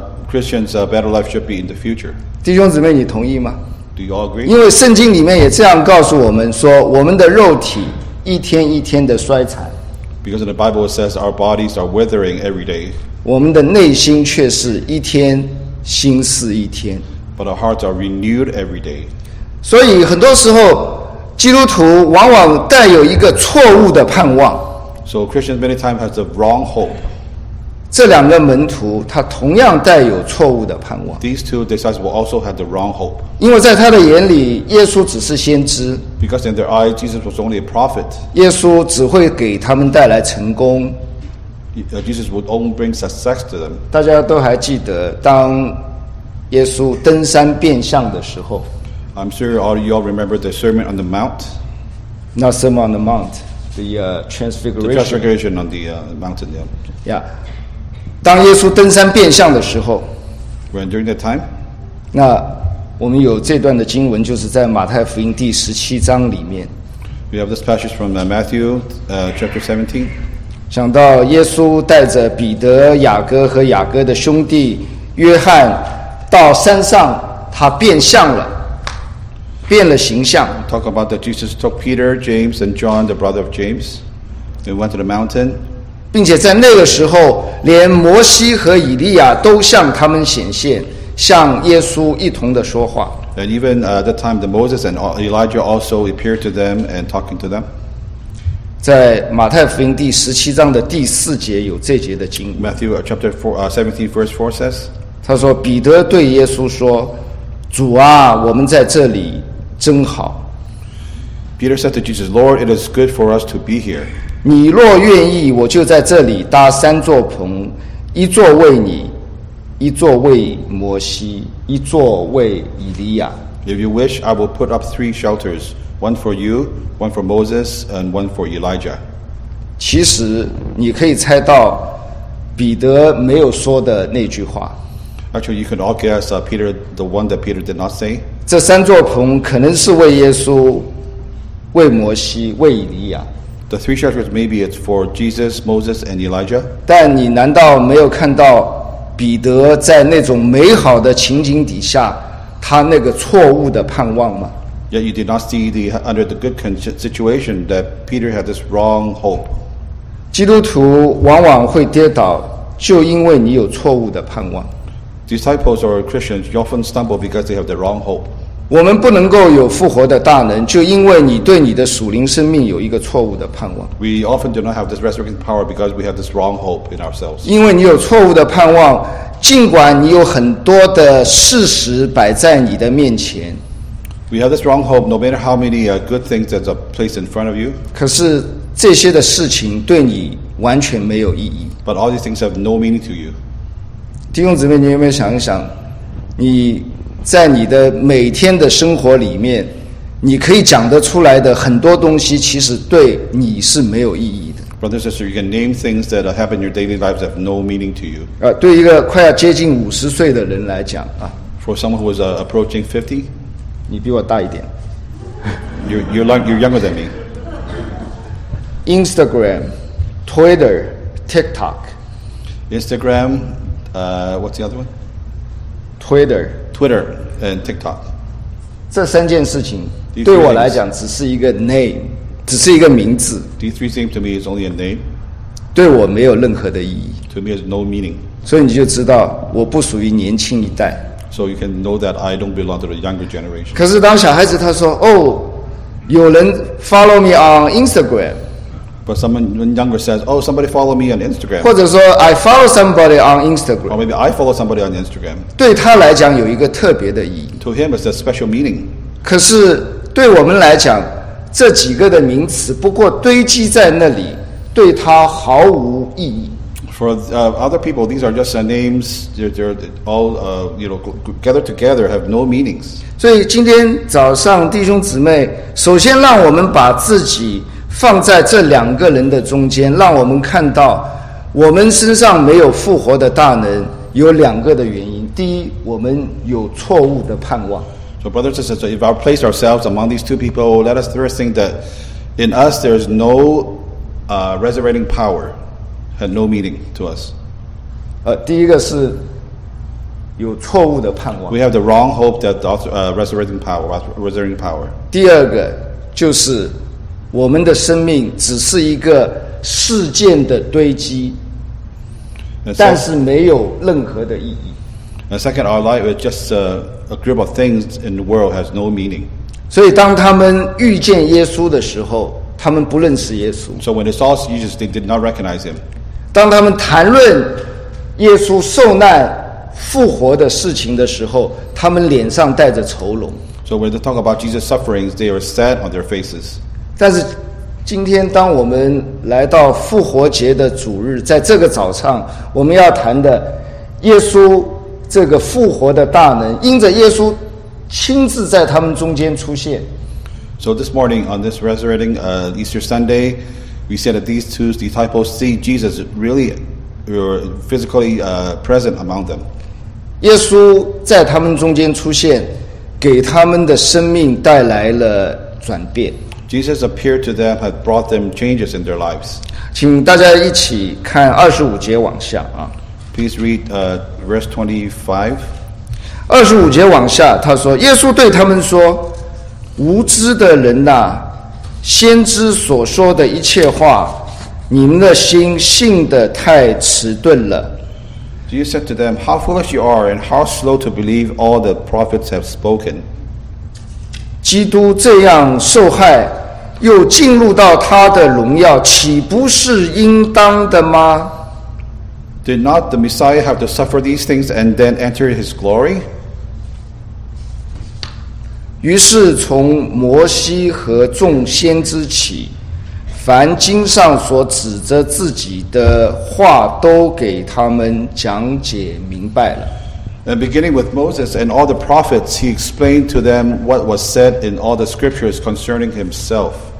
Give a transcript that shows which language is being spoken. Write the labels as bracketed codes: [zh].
[en] Christians' better life should be in the future. [zh] 弟兄姊妹，你同意吗？ [en] Do you all agree? [zh] 因为圣经里面也这样告诉我们说，我们的肉体一天一天的衰残。 [en] Because in the Bible it says our bodies are withering every day. [zh] 我们的内心却是一天新似一天。 [en] But our hearts are renewed every day. [zh] 所以很多时候，基督徒往往带有一个错误的盼望。 [en] So Christians many times have the wrong hope. [zh] 这两个门徒他同样带有错误的盼望。 [en] These two disciples also had the wrong hope. [zh] 因为在他的眼里耶稣只是先知。 [en] Because in their eyes, Jesus was only a prophet. [zh] 耶稣只会给他们带来成功。 [en] Jesus would only bring success to them. [zh] 大家都还记得当耶稣登山变相的时候。 [en] I'm sure all you all remember the Sermon on the Mount. Not Sermon on the Mount, the Transfiguration. The Transfiguration on the mountain, yeah. Yeah. [zh] 当耶稣登山变相的时候 [en] When during that time? [zh] 那我们有这段的经文就是在马太福音第十七章里面 [en] We have this passage from Matthew chapter 17 [zh] 想到耶稣带着彼得雅各和雅各的兄弟约翰到山上他变相了变了形象 [en] Talk about that Jesus took Peter, James and John the brother of James and went to the mountain [zh] 并且在那个时候连摩西和以利亚都向他们显现向耶稣一同的说话 [en] And even at that time the Moses and Elijah also appeared to them and talking to them [zh] 在马太福音第十七章的第四节有这节的经 [en] Matthew chapter 17 verse 4 says [zh] 他说彼得对耶稣说主啊我们在这里真好 [en] Peter said to Jesus Lord it is good for us to be here [zh] 你若愿意我就在这里搭三座棚一座为你一座为摩西一座为以利亚 [en] If you wish, I will put up three shelters one for you, one for Moses and one for Elijah [zh] 其实你可以猜到彼得没有说的那句话 [en] Actually, you can all guess Peter, the one that Peter did not say [zh] 这三座棚可能是为耶稣为摩西为以利亚 [en] The three shelters, maybe it's for Jesus, Moses, and Elijah. [zh] 但你难道没有看到彼得在那种美好的情景底下，他那个错误的盼望吗？ [en] Yet you did not see the under the good situation that Peter had this wrong hope. [zh] 基督徒往往会跌倒，就因为你有错误的盼望。 [en] Disciples or Christians you often stumble because they have the wrong hope. [zh] 我们不能够有复活的大能，就因为你对你的属灵生命有一个错误的盼望。 [en] We often do not have this resurrection power because we have this wrong hope in ourselves. [zh] 因为你有错误的盼望，尽管你有很多的事实摆在你的面前。 [en] We have this wrong hope, no matter how many good things that are placed in front of you. [zh] 可是这些的事情对你完全没有意义。 [en] But all these things have no meaning to you. [zh] 弟兄姊妹，你有没有想一想，你？在你的每天的生活里面你可以讲得出来的很多东西其实对你是没有意义的 [en] Brothers and sisters, you can name things that happen in your daily lives that have no meaning to you [zh] 对一个快要接近五十岁的人来讲 [en] For someone who is approaching 50 [zh] 你比我大一点 [en] you're younger than me Instagram Twitter TikTok Instagram what's the other one? Twitter and TikTok [zh] 这三件事情对我来讲只是一个 name 只是一个名字 [en] These three things to me is only a name [zh] 对我没有任何的意义 [en] To me is no meaning [zh] 所以你就知道我不属于年轻一代 [en] So you can know that I don't belong to the younger generation [zh] 可是当小孩子他说哦，有人 [en] follow me on Instagram But someone younger says Oh, somebody follow me on Instagram [zh] 或者说 [en] I follow somebody on Instagram Or maybe I follow somebody on Instagram [zh] 对他来讲有一个特别的意义 [en] To him it's a special meaning [zh] 可是对我们来讲这几个的名词不过堆积在那里对他毫无意义 [en] For other people these are just names they're all gathered together have no meanings [zh] 所以今天早上弟兄姊妹首先让我们把自己放在这两个人的中间让我们看到我们身上没有复活的大能，有两个的原因。第一，我们有错误的盼望。 [en] So brothers and sisters, if I place ourselves among these two people, let us first think that in us there is no resurrecting power, had no meaning to us. [zh] 第一个是有错误的盼望。 [en] We have the wrong hope that resurrecting power. [zh] 第二个就是我们的生命只是一个事件的堆积， [en] so, [zh] 但是没有任何的意义。 [en] And second, our life is just a group of things in the world has no meaning. [zh] 所以当他们遇见耶稣的时候，他们不认识耶稣。 [en] So when they saw Jesus, they did not recognize him. [zh] 当他们谈论耶稣受难复活的事情的时候，他们脸上带着愁容。 [en] So when they talk about Jesus' sufferings, they are sad on their faces. [zh] 但是今天当我们来到复活节的主日，在这个早上，我们要谈的耶稣这个复活的大能，因着耶稣亲自在他们中间出现。 [en] So this morning on this resurrecting Easter Sunday, we said that these two disciples see Jesus really were physically present among them. [zh] 耶稣在他们中间出现，给他们的生命带来了转变。 [en] Jesus appeared to them, had brought them changes in their lives. [zh] 请大家一起看25节往下啊。 [en] Please read verse 25. [zh] 25节往下，他说，耶稣对他们说，无知的人啊，先知所说的一切话，你们的心信得太迟钝了。 [en] Jesus said to them, how foolish you are, and how slow to believe all the prophets have spoken. [zh] 基督这样受害，又进入到他的荣耀，岂不是应当的吗？ [en] Did not the Messiah have to suffer these things and then enter his glory? [zh] 于是从摩西和众先知起，凡经上所指着自己的话，都给他们讲解明白了。 [en] And beginning with Moses and all the prophets, he explained to them what was said in all the scriptures concerning himself.